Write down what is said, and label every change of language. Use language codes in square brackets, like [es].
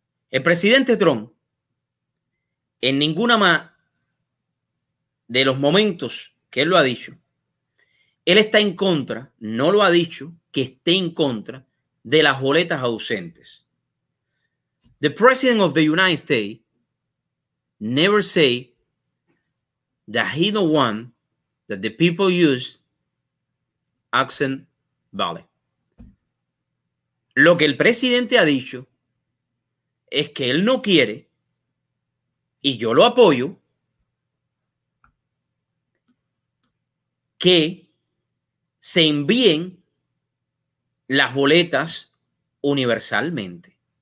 [es] El presidente Trump, en ninguna más de los momentos que él lo ha dicho, él está en contra, no lo ha dicho, que esté en contra de las boletas ausentes. [en] The president of the United States never say that he don't want that the people use absent ballot. [es] Lo que el presidente ha dicho es que él no quiere, y yo lo apoyo, que se envíen las boletas universalmente.